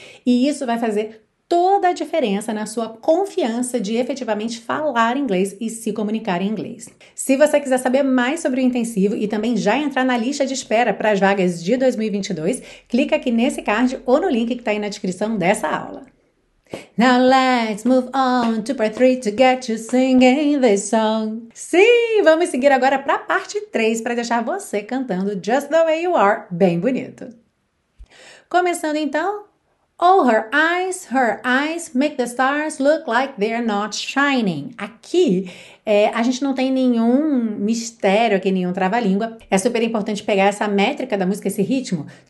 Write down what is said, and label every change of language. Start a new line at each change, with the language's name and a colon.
Portuguese: E isso vai fazer toda a diferença na sua confiança de efetivamente falar inglês e se comunicar em inglês. Se você quiser saber mais sobre o intensivo e também já entrar na lista de espera para as vagas de 2022, clica aqui nesse card ou no link que está aí na descrição dessa aula.
English: Now let's move on to part 3 to get you singing this song.
Portuguese: Sim, vamos seguir agora para a parte 3 para deixar você cantando Just the Way You Are bem bonito. Começando então.
English: Oh, her eyes make the stars look like they're not shining.
Portuguese: Aqui, a gente não tem nenhum mistério aqui, nenhum trava-língua. É super importante pegar essa métrica da música, esse ritmo.